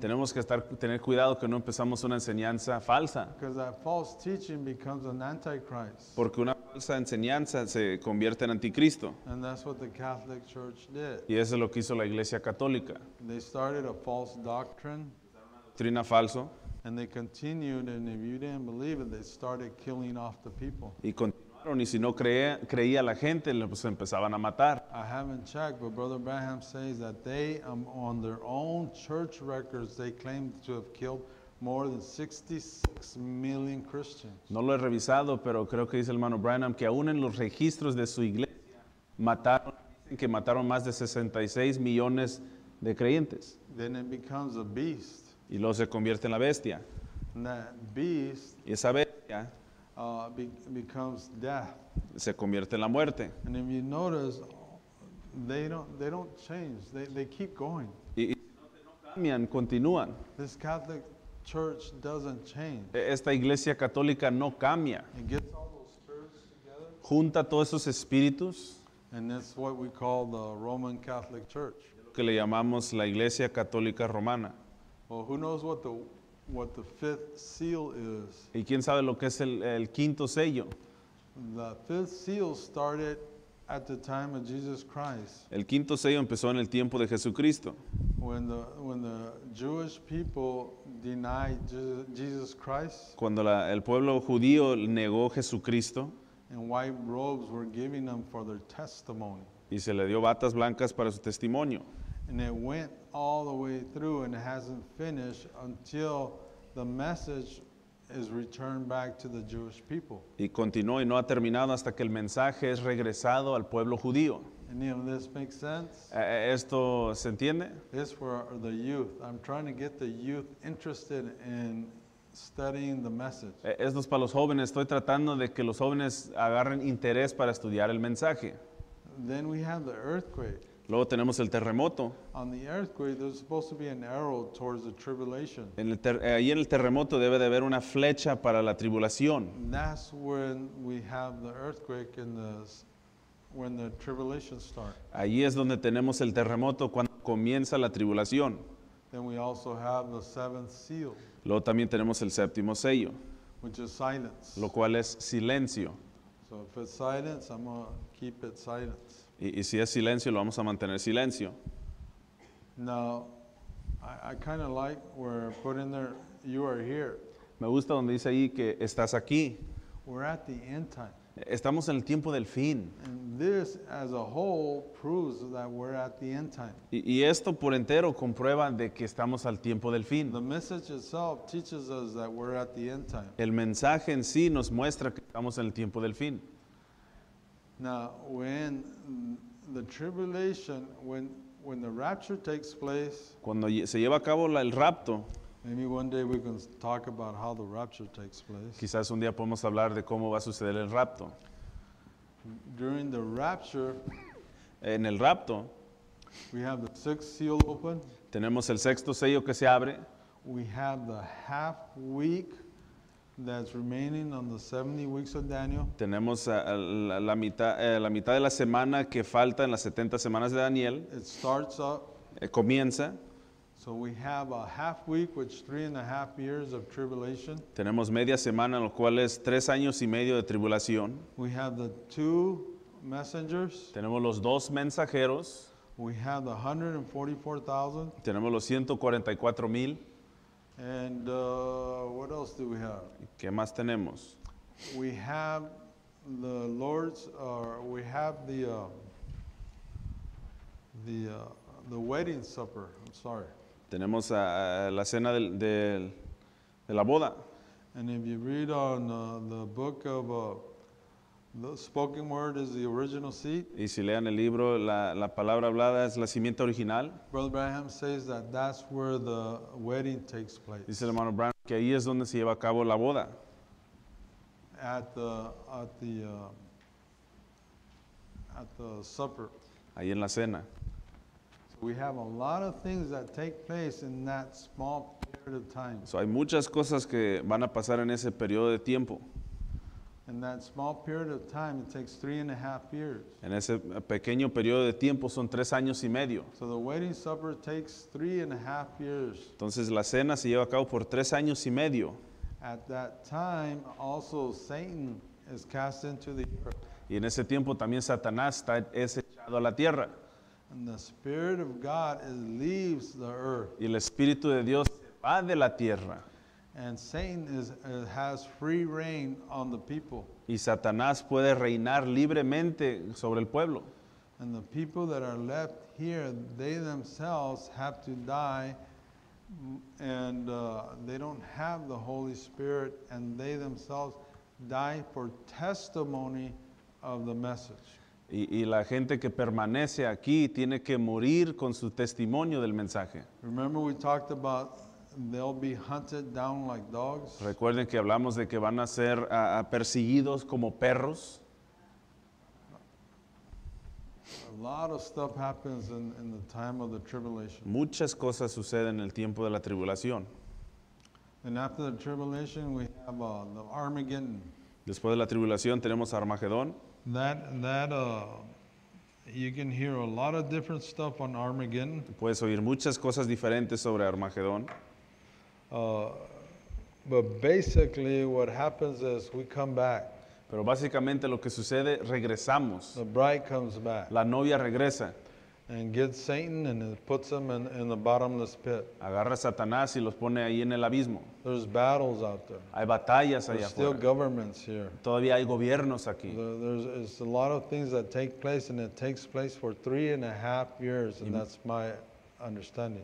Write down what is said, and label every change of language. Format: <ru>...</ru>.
<es>Tenemos que tener cuidado que no empezamos una enseñanza falsa.</es> <en>Because that false teaching becomes an antichrist.</en> <es>Porque una falsa enseñanza se convierte en anticristo.</es> <en>And that's what the Catholic Church did.</en> <es>Y eso es lo que hizo la Iglesia Católica.</es> <en>They started a false doctrine.</en> <es>Trina falso.</es> <en>And they continued, and if you didn't believe it, they started killing off the people.</en> <es>Y continuaron, y si no creía la gente, pues empezaban a matar.</es> <en>I haven't checked, but Brother Branham says that they, on their own church records, they claim to have killed more than 66 million Christians.</en> <es>No lo he revisado, pero creo que dice el hermano Branham que aún en los registros de su iglesia mataron más de 66 millones de creyentes.</es> <en>Then it becomes a beast.</en> <es>Y luego se convierte en la bestia.</es> <en>Beast,</en> <es>y esa bestia</es> <en>becomes death.</en> <es>Se convierte en la muerte.</es> <en>And if you notice, they don't change. They keep going.</en> <es>Y si no cambian, continúan.</es> <en>This Catholic Church doesn't change.</en> <es>Esta iglesia católica no cambia.</es> <en>It gets all those spirits together.</en> <es>Junta todos esos espíritus.</es> <en>And that's what we call the Roman Catholic Church.</en> <es>Que le llamamos la Iglesia Católica Romana.</es> <en>Well, who knows what the what the fifth seal is.</en> <es>¿Y quién sabe lo que es el quinto sello?</es> <en>The fifth seal started at the time of Jesus Christ.</en> <es>El quinto sello empezó en el tiempo de Jesucristo.</es> <en>When the Jewish people denied Jesus Christ.</en> <es>Cuando el pueblo judío negó Jesucristo.</es> <en>And white robes were given them for their testimony.</en> <es>Y se le dio batas blancas para su testimonio.</es> <en>And it went all the way through and hasn't finished until the message is returned back to the Jewish people.</en> <es>Y continuó y no ha terminado hasta que el mensaje es regresado al pueblo judío.</es> <en>Any of this make sense?</en> <es>¿Esto se entiende?</es> <en>This for the youth. I'm trying to get the youth interested in studying the message.</en> <es>Esto es para los jóvenes. Estoy tratando de que los jóvenes agarren interés para estudiar el mensaje.</es> <en>Then we have the earthquake.</en> <es>Luego tenemos el terremoto.</es> <en>On the earthquake, there's supposed to be an arrow towards the tribulation.</en> <es>Ahí en el terremoto debe de haber una flecha para la tribulación.</es> <en>That's when we have the earthquake in the when the tribulation starts.</en> <es>Ahí es donde tenemos el terremoto cuando comienza la tribulación.</es> <en>Then we also have the seventh seal.</en> <es>Luego también tenemos el séptimo sello.</es> <en>Which is silence.</en> <es>Lo cual es silencio.</es> <en>So if it's silence, I'm gonna keep it silence.</en> <es>Y si es silencio, lo vamos a mantener silencio.</es> <en>Now, I kind of like where put in there, you are here.</en> <es>Me gusta donde dice ahí que estás aquí.</es> <en>We're at the end time.</en> <es>Estamos en el tiempo del fin.</es> <en>And this as a whole proves that we're at the end time.</en> <es>Y esto por entero comprueba de que estamos al tiempo del fin.</es> <en>The message itself teaches us that we're at the end time.</en> <es>El mensaje en sí nos muestra que estamos en el tiempo del fin.</es> <en>Now, when the tribulation, when the rapture takes place,</en> <es>cuando se lleva a cabo el rapto,</es> <en>maybe one day we can talk about how the rapture takes place.</en> <es>Quizás un día podemos hablar de cómo va a suceder el rapto.</es> <en>During the rapture,</en> <es>en el rapto,</es> <en>we have the sixth seal open.</en> <es>Tenemos el sexto sello que se abre.</es> <en>We have the half week that's remaining on the 70 weeks of Daniel.</en> <es>Tenemos la mitad de la semana que falta en las 70 semanas de Daniel.</es> <en>It starts up.</en> <es>Comienza.</es> <en>So we have a half week, which 3.5 years of tribulation.</en> <es>Tenemos media semana, lo cual es 3 años y medio de tribulación.</es> <en>We have the two messengers.</en> <es>Tenemos los dos mensajeros.</es> <en>We have the 144,000.</en> <es>Tenemos los 144,000.</es> <en>And what else do we have?</en> <es>¿Qué más tenemos?</es> <en>We have the Lord's, we have the wedding supper. I'm sorry.</en> <es>Tenemos la cena de la boda.</es> <en>And if you read on the book of the spoken word is the original seed.</en> <es>Y si lean el libro, la palabra hablada es la simiente original.</es> <en>Brother Branham says that that's where the wedding takes place.</en> <es>Dice el hermano Branham que ahí es donde se lleva a cabo la boda.</es> <en>At the supper.</en> <es>Ahí en la cena.</es> <en>So we have a lot of things that take place in that small period of time.</en> <es>So hay muchas cosas que van a pasar en ese periodo de tiempo.</es> <en>In that small period of time, it takes 3.5 years.</en> <es>En ese pequeño periodo de tiempo son 3 años y medio.</es> <en>So the wedding supper takes 3.5 years.</en> <es>Entonces la cena se lleva a cabo por 3 años y medio.</es> <en>At that time, also Satan is cast into the earth.</en> <es>Y en ese tiempo también Satanás es echado a la tierra.</es> <en>And the Spirit of God leaves the earth.</en> <es>Y el Espíritu de Dios se va de la tierra.</es> <en>And Satan has free reign on the people.</en> <es>Y Satanás puede reinar libremente sobre el pueblo.</es> <en>And the people that are left here, they themselves have to die, and they don't have the Holy Spirit, and they themselves die for testimony of the message.</en> <es>Y la gente que permanece aquí tiene que morir con su testimonio del mensaje.</es> <en>Remember we talked about they'll be hunted down like dogs.</en> <es>Recuerden que hablamos de que van a ser perseguidos como perros.</es> <en>A lot of stuff happens in the time of the tribulation.</en> <es>Muchas cosas suceden en el tiempo de la tribulación.</es> <en>And after the tribulation, we have the Armageddon.</en> <es>Después de la tribulación tenemos Armagedón.</es> <en>You can hear a lot of different stuff on Armageddon.</en> <es>Puedes oír muchas cosas diferentes sobre Armagedón.</es> <en>But basically what happens is we come back.</en> <es>Pero básicamente lo que sucede, regresamos.</es> <en>The bride comes back.</en> <es>La novia regresa.</es> <en>And gets Satan and puts him in the bottomless pit.</en> <es>Agarra a Satanás y los pone ahí en el abismo.</es> <en>There's battles out there.</en> <es>Hay batallas allá afuera.</es> <en>There's still governments here.</en> <es>Todavía hay gobiernos aquí.</es> <en>There's a lot of things that take place, and it takes place for 3.5 years, and that's my understanding.</en>